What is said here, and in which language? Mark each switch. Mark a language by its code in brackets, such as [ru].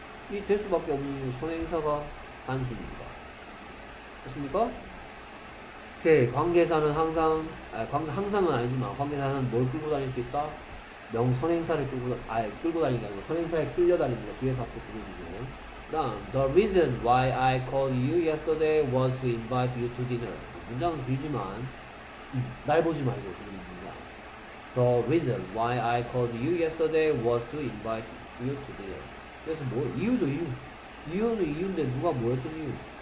[ko] 이 될 수밖에 없는 선행사가 단순입니다. 그렇습니까? 오케이. 관계사는 항상, 항상은 아니지만, 관계사는 뭘 끌고 다닐 수 있다? 명선행사를 끌고 다니는 게 아니고, 선행사에 끌려다닙니다. 뒤에서 앞으로 끌려주죠. 그 다음, [en] The reason why I called you yesterday was to invite you to dinner. [ko] 문장은 길지만, 날 보지 말고 지금 문장. [en] The reason why I called you yesterday was to invite you to dinner. [ko] 그래서 뭐, 이유죠, 이유. 이유는 이유인데, 누가 뭐 했던 이유?